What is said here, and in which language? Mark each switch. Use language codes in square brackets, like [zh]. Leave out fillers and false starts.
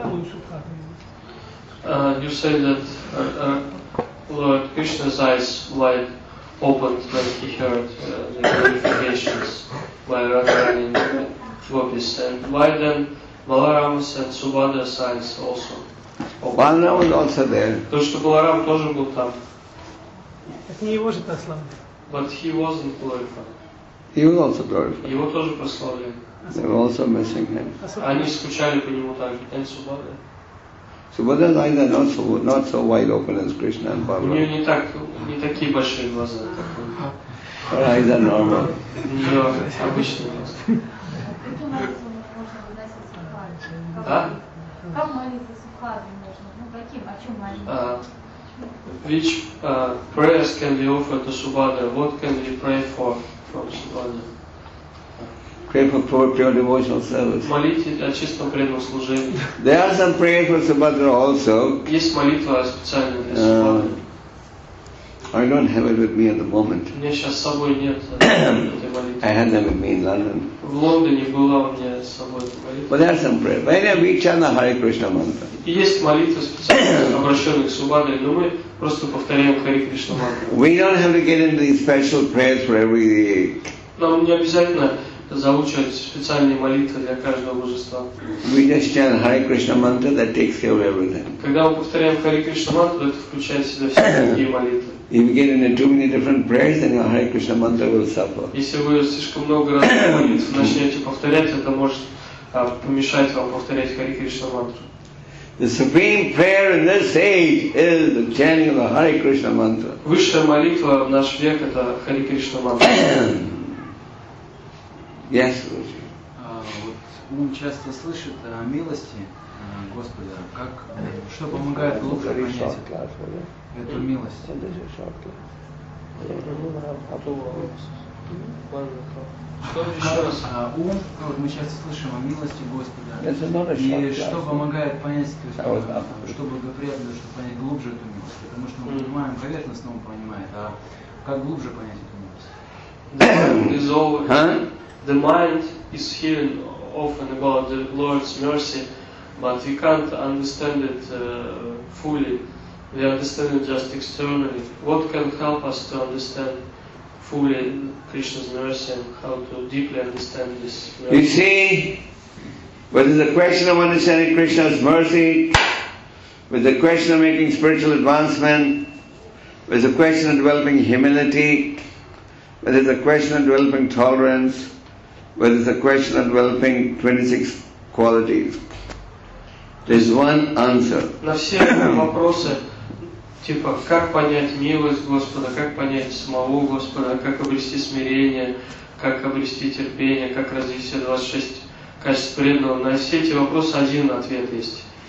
[en] You say that Lord Krishna's eyes light opened when he heard the glorifications by Radharani and Gopis. And why then Balarama's and Subhadra's eyes also opened? Balarama was also there. [ru] То, что Баларам тоже был там. Это не его же прославили. [en] But he wasn't glorified. He was also glorified. [ru] Его тоже прославили. [en] They were also missing him. [ru] Они скучали по нему также. [en] Subhadra's eyes are not so wide open as Krishna and Balaram. [ru] У нее не такие большие глаза. [en] Her eyes are normal. [ru] Обычные глаза. Как молиться Субхадре можно? Каким? О чем молиться? [en] Which prayers can be offered to Subhadra? What can we pray for from Subhadra? Pray for pure devotional service. [ru] Молитесь о чистом преданном служении. [en] There are some prayers for Subhadra also. [ru] Есть молитва специально для Субхадры. [en] I don't have it with me at the moment. [ru] У меня сейчас с собой нет этой молитвы. [en] I had them with me in London. [ru] В Лондоне была у меня с собой эта молитва. [en] But there are some prayers. Anyway, we chant the Hare Krishna mantra. [ru] Есть молитва специально обращенная к Субхадре, но мы просто повторяем Hare Krishna mantra. [en] We don't have to get into these special prayers for every. [ru] Нам не обязательно заучивать специальные молитвы для каждого божества. [en] We just chant Hare Krishna mantra, that takes care of everything. [ru] Когда мы повторяем Hare Krishna mantra, это включает в себя все другие молитвы. [en] If you get into too many different prayers, then your Hare Krishna mantra will suffer. [ru] Если вы слишком много раз молитв начнете повторять, это может помешать вам повторять Hare Krishna mantra. [en] The supreme prayer in this age is the chanting of the Hare Krishna mantra. [ru] Высшая молитва в наш век это Hare Krishna mantra. [en] Yes. [ru] Вот ум часто слышит о милости Господа. Как что помогает лучше понять эту милость? Мы часто слышим о милости Господа. И что помогает понять, то есть, что благоприятно, чтобы понять глубже эту милость? Потому что мы понимаем поверхностно, он понимает, а как глубже понять эту милость? [en] The mind is hearing often about the Lord's mercy, but we can't understand it fully. We understand it just externally. What can help us to understand fully Krishna's mercy and how to deeply understand this mercy. You see, but it's a question of understanding Krishna's mercy, with the question of making spiritual advancement, with the question of developing humility, with the question of developing tolerance, with the question of developing 26 qualities. There's one answer. [ru] На все вопросы, типа, как понять милость Господа, как понять самого Господа, как обрести смирение, как обрести терпение, как развить все 26 качеств преданного, на все эти вопросы один ответ есть.